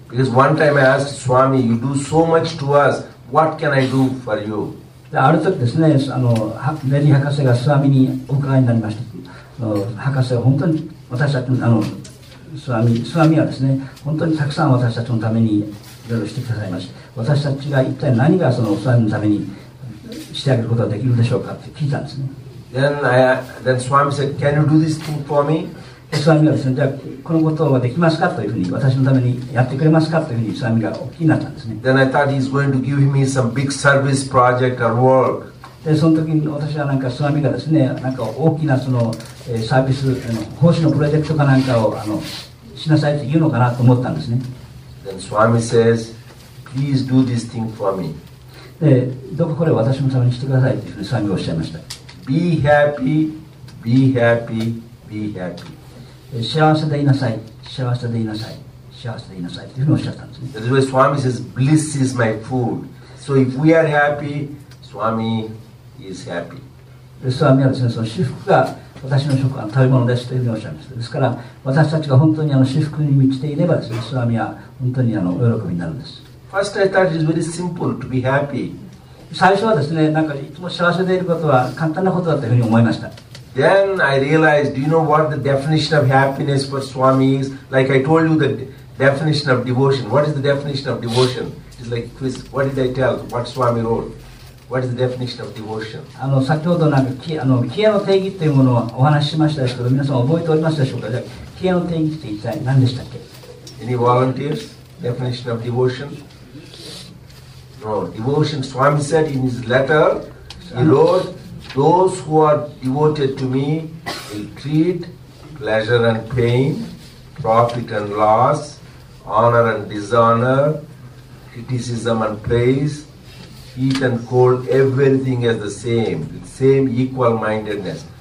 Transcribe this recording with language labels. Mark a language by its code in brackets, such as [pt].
[en] Because one time I asked Swami, you do so much to us, what can I do for you? [ja] ある時ですね、ネリー博士がスワミにお伺いになりました。博士は本当に私たちの、スワミはですね、本当にたくさん私たちのためにいろいろしてくださいました。私たちが一体何がそのスワミのためにしてあげることができるでしょうかって聞いたんですね。 [en] Then Swami said, can you do this thing for me? [ja] スワミはですね、じゃあこのことはできますかというふうに、私のためにやってくれますかというふうにスワミがお聞きになったんですね。 [en] Then I thought he's going to give me some big service project or work. [ja] で、その時に私はなんかスワミがですね、なんか大きなそのサービス、奉仕のプロジェクトかなんかをしなさいと言うのかなと思ったんですね。 [en] Then Swami says, please do this thing for me. [ja] で、どうかこれを私のためにしてくださいというふうにスワミがおっしゃいました。 [en] Be happy, be happy, be happy. [ja] 幸せでいなさい、幸せでいなさい、幸せでいなさいというふうにおっしゃったんですね。 [en] That's why Swami says, bliss is my food. So if we are happy, Swami is happy. [ja] で、スワミはですね、その至福が私の食は食べ物ですというふうにおっしゃいました。ですから、私たちが本当に至福に満ちていればですね、スワミは本当にお喜びになるんです。 [en] First, I thought it is very simple to be happy. [ja] 最初はですね、なんかいつも幸せでいることは簡単なことだというふうに思いました。 [en] Then I realized, do you know what the definition of happiness for Swami is? Like I told you the definition of devotion. What is the definition of devotion? It's like quiz. What did I tell? What Swami wrote? What is the definition of devotion? [ja] 先ほどなんか、帰依の定義というものをお話ししましたけど、皆さん覚えておりますでしょうか？帰依の定義って一体何でしたっけ？ [en] Any volunteers? Definition of devotion? No. Devotion, Swami said in his letter, he wrote,Those who are devoted to me will treat pleasure and pain, profit and loss, honor and dishonor, criticism and praise, heat and cold, everything as the same, with same equal mindedness.